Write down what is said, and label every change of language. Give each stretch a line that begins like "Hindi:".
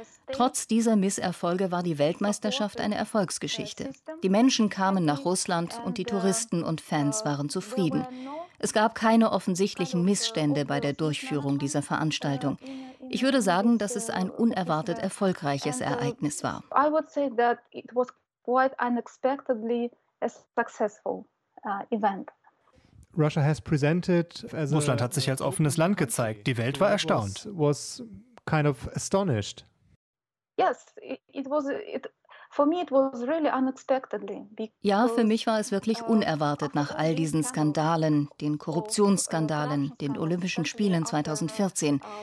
German: Trotz dieser Misserfolge war die Weltmeisterschaft eine Erfolgsgeschichte. Die Menschen kamen nach Russland und die Touristen und Fans waren zufrieden. Es gab keine offensichtlichen Missstände bei der Durchführung dieser Veranstaltung. Ich würde sagen, dass es ein unerwartet erfolgreiches Ereignis war.
English: I would say that it was quite unexpectedly a successful event. Russia has presented as a
German: Russland hat sich als offenes Land gezeigt. Die Welt war erstaunt.
English: Was kind of astonished. Yes, it was really unexpectedly.
German: Ja, für mich war es wirklich unerwartet nach all diesen Skandalen, den Korruptionsskandalen, den Olympischen Spielen 2014.